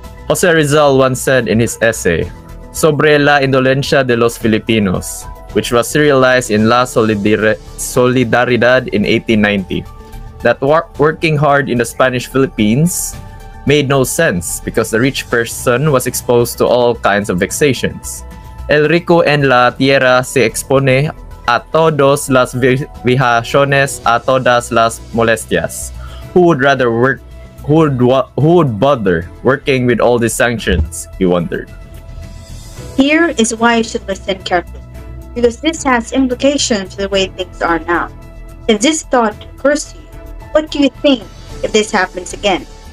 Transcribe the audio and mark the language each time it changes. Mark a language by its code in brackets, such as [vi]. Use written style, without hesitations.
[en] Jose Rizal once said in his essay, Sobre la indolencia de los Filipinos, which was serialized in La Solidaridad in 1890, that working hard in the Spanish Philippines made no sense because the rich person was exposed to all kinds of vexations. [es] El rico en la tierra se expone a todos las vejaciones, a todas las molestias. [en] Who would bother working with all these sanctions, he wondered. Here is why you should listen carefully, because this has implications for the way things are now. If this thought occurs to you, what do you think if this happens again?